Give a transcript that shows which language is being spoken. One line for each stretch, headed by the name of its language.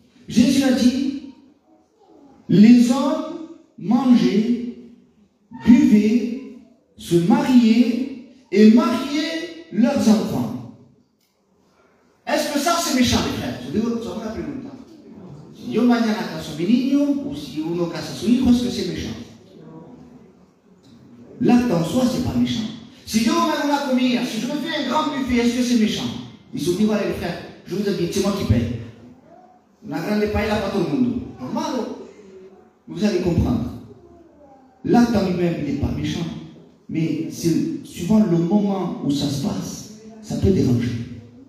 French: Jésus a dit, les hommes mangeaient, buvaient, se marier et marier leurs enfants. Est-ce que ça c'est méchant, les frères? Je vais vous rappeler longtemps.
Spanish: Si yo mañana caso mi niño, ou si uno casa su hijo,
French: est-ce que c'est méchant? L'acte en soi, c'est pas méchant.
Spanish: Si yo mañana comía,
French: si je me fais un grand buffet, est-ce que c'est méchant? Ils se disent, voilà les frères, je vous invite, c'est moi qui paye.
Spanish: Una grande paella para todo el mundo.
French: Normal. Vous allez comprendre. L'acte en lui-même n'est pas méchant. Mais c'est suivant le moment où ça se passe, ça peut déranger.